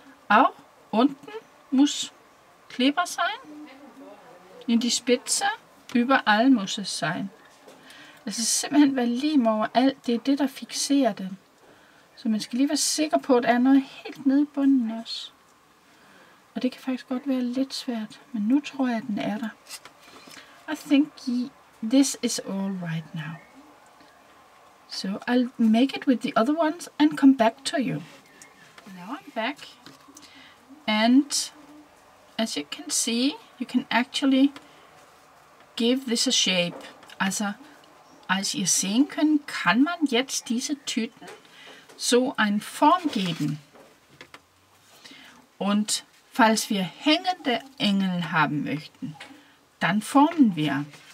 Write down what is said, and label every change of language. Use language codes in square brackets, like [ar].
[de] Auch unten muss Kleber sein in die Spitze. Überall muss es sein. Es ist [da] simpelthen være lim overalt. Det er det, der fixerer den. Så man skal lige være sikker på, at der er noget helt nede i bunden også. Og det kan faktisk godt være lidt svært. Men nu tror jeg, at den er der. [en] I think this is all right now. So I'll make it with the other ones and come back to you. Now I'm back. And as you can see, you can actually give this a shape. [de] Altså, als ihr sehen könnt, kann man jetzt diese Tüten so ein Form geben. Und falls wir hängende Engel haben möchten, dann formen wir.